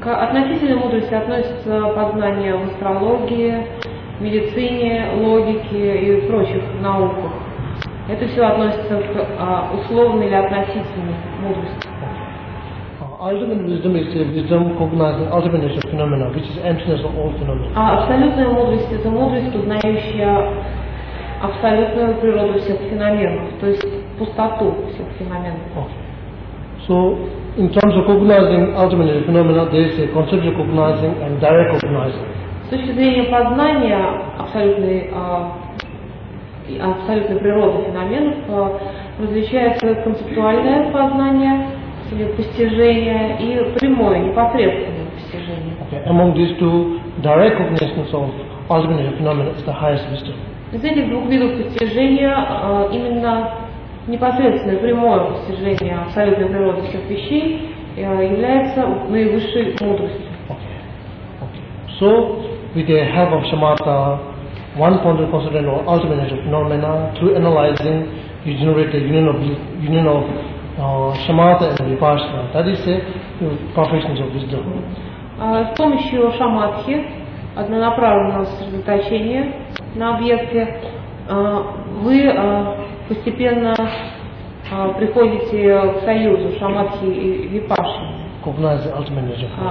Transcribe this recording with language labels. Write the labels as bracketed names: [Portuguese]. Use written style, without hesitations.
[Russian] К относительной мудрости относятся познания в астрологии, медицине, логике и прочих науках. Это все относится к условной или относительной мудрости. [English] Ultimate wisdom is the wisdom cognizing ultimate nature of phenomena, which is emptiness of all phenomena. [Russian] Абсолютная мудрость — это мудрость, познающая абсолютную природу всех феноменов, то есть пустоту всех феноменов. [English] So in terms of cognizing ultimate phenomena, there is a conceptual cognizing and direct cognizing. [Russian] С точки зрения познания абсолютной природы феноменов различается концептуальное познание или постижение и прямое, непосредственное постижение. [English] Okay. Among these two, direct cognition of ultimate phenomena is the highest wisdom. [Russian] Из этих двух видов постижения именно непосредственное, прямое постижение абсолютной природы всех вещей является наивысшей мудростью. [English] So, with the help of shamatha, one-pointed concentration or ultimate nature of phenomena, through analyzing, you generate the union of shamatha and vipassana. That is the professions of wisdom. [Russian] С помощью шамадхи, однонаправленного сосредоточения на объекте, вы постепенно приходите к союзу шамадхи и випашаны. [English] Cognize the ultimate nature.